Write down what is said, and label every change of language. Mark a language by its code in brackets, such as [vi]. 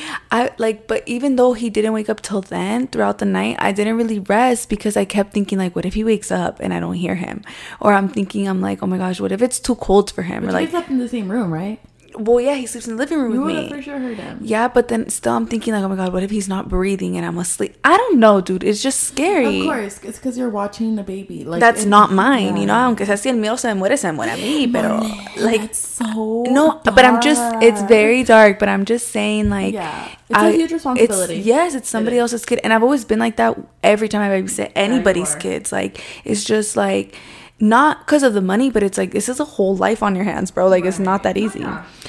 [en] But even though he didn't wake up till then, throughout the night, I didn't really rest because I kept thinking like, what if he wakes up and I don't hear him? Or I'm thinking, I'm like, oh my gosh, what if it's too cold for him? But or you like up in the same room, right? Well, yeah, he sleeps in the living room with me. You would have for sure heard him. Yeah, but then still I'm thinking like, oh my God, what if he's not breathing and I'm asleep? I don't know, dude. It's just scary. Of course. It's because you're watching the baby. Like, that's not mine, yeah. You know? [es] Aunque sea el mío, se muere, se muere a mí, pero... [en] Like, that's so no, dark. But I'm just... It's very dark, but I'm just saying like... Yeah. It's a huge responsibility. It's, yes, it's somebody else's kid. And I've always been like that every time I babysit anybody's kids. Like, it's just like... Not because of the money, but it's like this is a whole life on your hands, bro. Like, right. It's not that easy. Yeah.